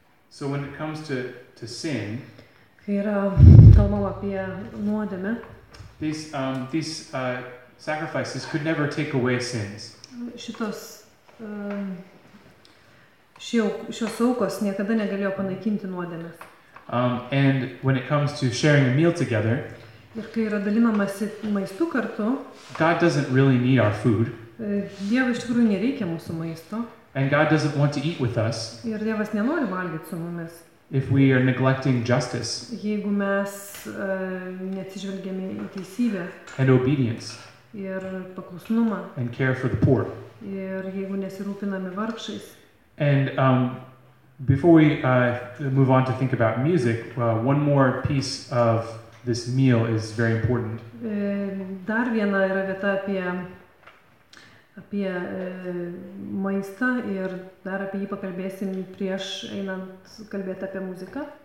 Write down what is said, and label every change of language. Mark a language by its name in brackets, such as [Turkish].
[English] So when it comes to sin, [Lithuanian] kai yra kalbama apie nuodėmę, [English] these sacrifices could never take away sins. [Lithuanian] Šitos šios aukos niekada negalėjo panaikinti nuodėmes. [English] And when it comes to sharing a meal together, [Lithuanian] ir kai yra dalinamasi maistu kartu, [English] God doesn't really need our food. [Lithuanian] Dievas iš tikrųjų nereikia mūsų maisto. [English] And God doesn't want to eat with us. [Lithuanian] Ir Dievas nenori valgyti su mumis. [English] If we are neglecting justice. [Lithuanian] Jeigu mes neatsižvelgiame į teisybę. [English] And obedience. [Lithuanian] Ir paklusnumą. [English] And care for the poor. [Lithuanian] Ir jeigu nesirūpiname vargšais. [English] And before we move on to think about music, one more piece of this meal is very important. [Lithuanian] Dar viena yra vieta apie maistą ir dar apie jį pakalbėsim prieš einant kalbėti apie muziką.